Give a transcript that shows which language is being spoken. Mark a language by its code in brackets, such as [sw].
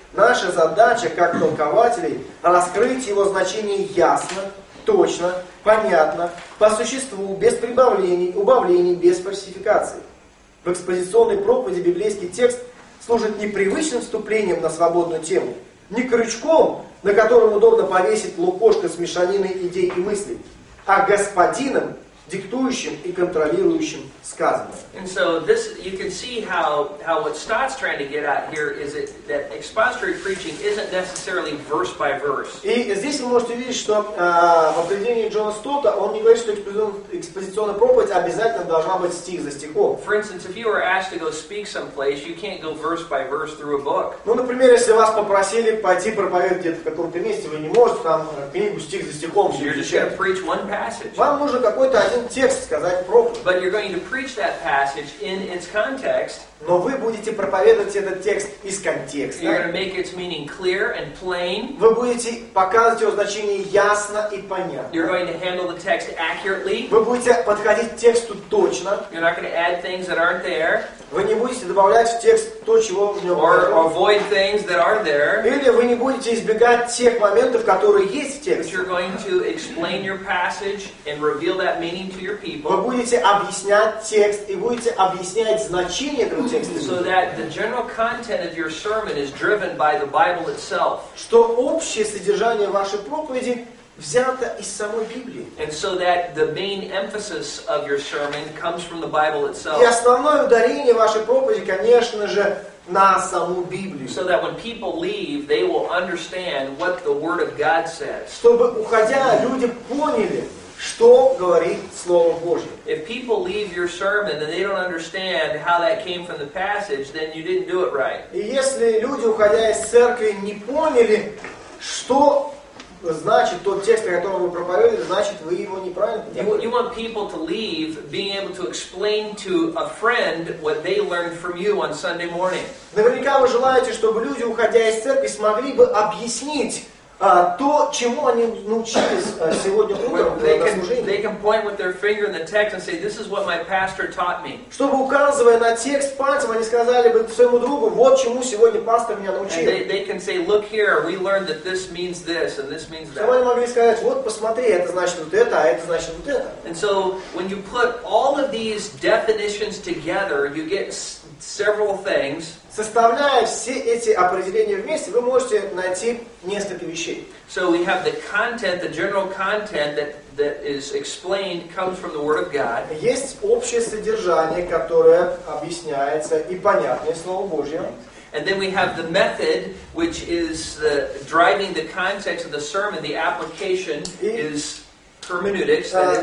[ru] Наша задача, как толкователей, раскрыть его значение ясно, точно, понятно, по существу, без прибавлений, убавлений, без фальсификации. В экспозиционной проповеди библейский текст служит не привычным вступлением на свободную тему, не крючком, на котором удобно повесить лукошко с мешаниной идей и мыслей, а господином, диктующим и контролирующим сказанное. [en] And so this, you can see how what Stott's trying to get at here is it, that expository preaching isn't necessarily verse by verse. [ru] И здесь вы можете видеть, что в определении Джона Стотта он не говорит, что экспозиционная проповедь обязательно должна быть стих за стихом. [en] For instance, if you were asked to go speak someplace, you can't go verse by verse through a book. [ru] Ну, например, если вас попросили пойти проповедовать где-то в каком-то месте, вы не можете там книгу стих за стихом. [en] You're just going to preach one passage. [ru] Вам нужно какой-то один текст сказать проповедь. [en] But you're going to preach that passage in its context. [ru] Но вы будете проповедовать этот текст из контекста. [en] You're going to make its meaning clear and plain. [ru] Вы будете показывать его значение ясно и понятно. [en] You're going to handle the text accurately. [ru] Вы будете подходить к тексту точно. [en] You're not going to add things that aren't there. [ru] Вы не будете добавлять в текст то, чего в нем нет. [en] Or avoid things that are there. [ru] Или вы не будете избегать тех моментов, которые есть в тексте. [en] But you're going to explain your passage and reveal that meaning to your people. [ru] Вы будете объяснять текст и будете объяснять значение этого текста. [en] So that the general content of your sermon is driven by the Bible itself. [ru] Что общее содержание вашей проповеди взято из самой Библии. [en] And so that the main emphasis of your sermon comes from the Bible itself. [ru] И основное ударение вашей проповеди, конечно же, на саму Библию. [en] So that when people leave, they will understand what the Word of God says. [ru] Чтобы, уходя, люди поняли, что говорит Слово Божье. [en] If people leave your sermon and they don't understand how that came from the passage, then you didn't do it right. [ru] И если люди, уходя из церкви, не поняли, что значит, тот текст, о котором вы проповедовали, значит, вы его неправильно. [en] You want people to leave, being able to explain to a friend what they learned from you on Sunday morning. [ru] Наверняка вы желаете, чтобы люди, уходя из церкви, смогли бы объяснить то, чему они научились сегодня утром на служении. [en] They can point with their finger in the text and say, this is what my pastor taught me. [ru] Чтобы, указывая на текст пальцем, они сказали бы своему другу, вот чему сегодня пастор меня научил. [en] And they can say, look here, we learned that this means this and this means that. [ru] Чтобы они могли сказать, вот посмотри, это значит вот это, а это значит вот это. [en] And so, when you put all of these definitions together, you get several things. [ru] Составляя все эти определения вместе, вы можете найти несколько вещей. [en] So we have the content, the general content that is explained comes from the Word of God. [ru] Есть общее содержание, которое объясняется и понятное Слово Божье. [en] And then we have the method, which is the driving the context of the sermon, the application is hermeneutics.